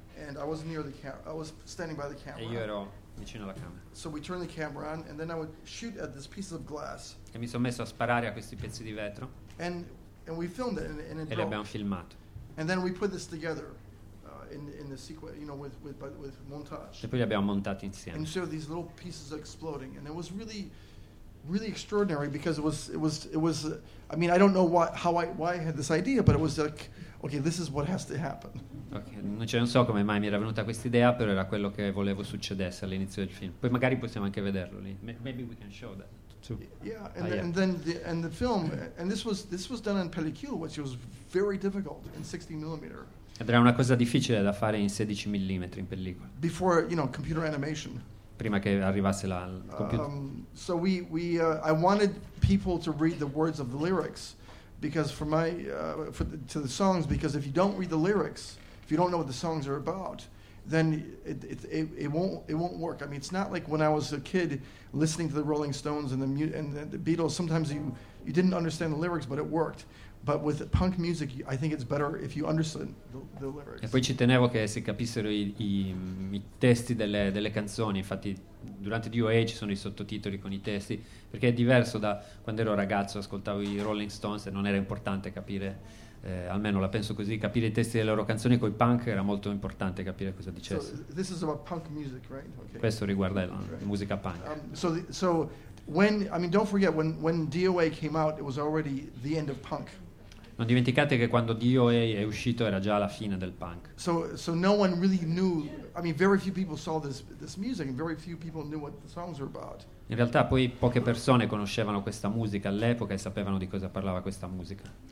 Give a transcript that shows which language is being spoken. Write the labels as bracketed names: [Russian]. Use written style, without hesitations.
[English] And I was near the camera. I was standing by the camera. [Italian] E io ero vicino alla camera. [English] So we turned the camera on, and then I would shoot at this piece of glass. [Italian] E mi sono messo a sparare a questi pezzi di vetro. [English] And we filmed it, and it [Italian] e li abbiamo filmato. [English] And then we put this together in the sequence, you know, with montage. [Italian] E poi li abbiamo montati insieme. [English] And so these little pieces are exploding, and it was really, really extraordinary because it was. I mean, I don't know why I had this idea, but it was like, okay, this is what has to happen. [Italian] Okay, non so come mai mi era venuta questa idea, però era quello che volevo succedesse all'inizio del film. Poi magari possiamo anche vederlo lì. [English] Maybe we can show that. Yeah, and then the film, and this was done in pellicule, which was very difficult in 60 millimeter. [Italian] Ed era una cosa difficile da fare in 16 millimetri in pellicola. [English] Before, you know, computer animation. [Italian] Prima che arrivasse la computer. [English] So I wanted people to read the words of the lyrics, because to the songs, because if you don't read the lyrics, if you don't know what the songs are about, then it won't work. I mean, it's not like when I was a kid listening to the Rolling Stones and the Beatles. Sometimes you didn't understand the lyrics, but it worked. But with punk music, I think it's better if you understand the lyrics. [Italian] E poi ci tenevo che si capissero i testi delle canzoni. Infatti, durante DOA ci sono i sottotitoli con i testi, perché è diverso da quando ero ragazzo, ascoltavo i Rolling Stones e non era importante capire. Almeno la penso così, capire i testi delle loro canzoni coi punk era molto importante capire cosa dicesse. [English] So, this is about punk music, right? [Italian] Okay. Questo riguarda la musica punk. [English] So when, I mean, don't forget when DOA came out, it was already the end of punk. [Italian] Non dimenticate che quando DOA è uscito era già la fine del punk. [English] So no one really knew, I mean, very few people saw this music and very few people knew what the songs were about. [Italian] In realtà poi poche persone conoscevano questa musica all'epoca e sapevano di cosa parlava questa musica.